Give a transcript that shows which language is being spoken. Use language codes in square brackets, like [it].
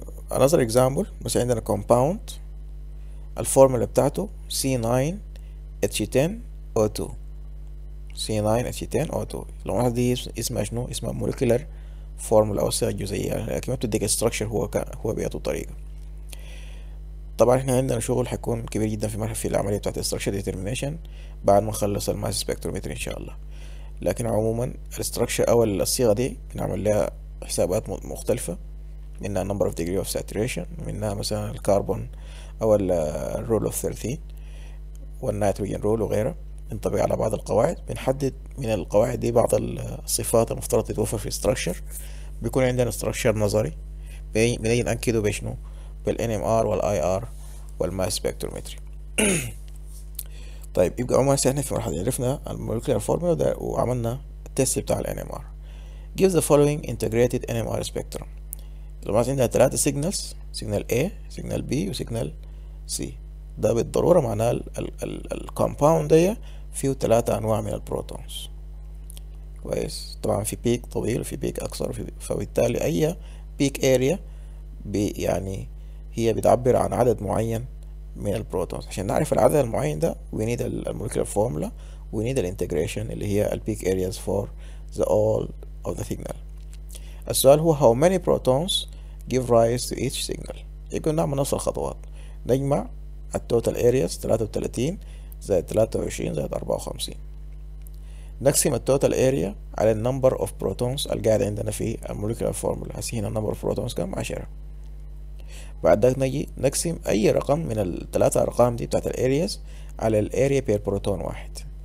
[en] another example، [ar] بس عندنا compound الفورمولا بتاعته C9H10O2 C9H10O2. لو ما دي اسمها شنو؟ اسمها مولكيولار فورمولا او الصيغة الجزيئية، لكن ما بتديك الستراكشر هو بياته الطريقة. طبعا احنا عندنا شغل حيكون كبير جدا في مرحلة في العملية بتاعت الستراكشر ديترمينيشن بعد ما نخلص الماس سبكترومتري ان شاء الله، لكن عموما الستراكشر او الصيغة دي بنعمل لها حسابات مختلفة، منها نمبر اوف ديجري اوف ساتوريشن، منها مثلا الكربون او الرول اوف 13 والنيتروجين رول وغيرها، بنطبق على بعض القواعد، بنحدد من القواعد دي بعض الصفات المفترض تتوفر في structure. بيكون عندنا structure نظري بنيجي نأكده بشنو؟ بالـ NMR والـ IR والـ mass spectrometry. طيب يبقى عموما احنا في مرحلة عرفنا الـ molecular formula وعملنا التست بتاع الـ NMR. [en] Give the following integrated NMR spectrum. [ar] لو عندنا ثلاثة [en] signals، signal A، signal B، و signal C. [ar] ده بالضرورة معناه ال compound دي فيه ثلاثة أنواع من البروتونز، كويس. طبعا في بيك طويل وفي بيك أقصر، فبالتالي أي بيك أريا يعني هي بتعبر عن عدد معين من البروتونز. عشان نعرف العدد المعين ده [en] we need the molecular formula we need the integration [ar] اللي هي ال [en] peak areas for the all of the signal. [ar] السؤال هو [en] how many protons give rise to each signal. [ar] يكون نعمل نفس الخطوات، نجمع التوتال areas 33 زائد 23 زائد 54، نقسم التوتال area على النمبر اوف بروتونز القاعد عندنا في المولكيولار فورمولا. هسي هنا النمبر اوف بروتونز كم؟ 10. بعدك نجي نقسم اي رقم من الثلاثة ارقام دي بتاعت الاريز على الاريا بير بروتون واحد.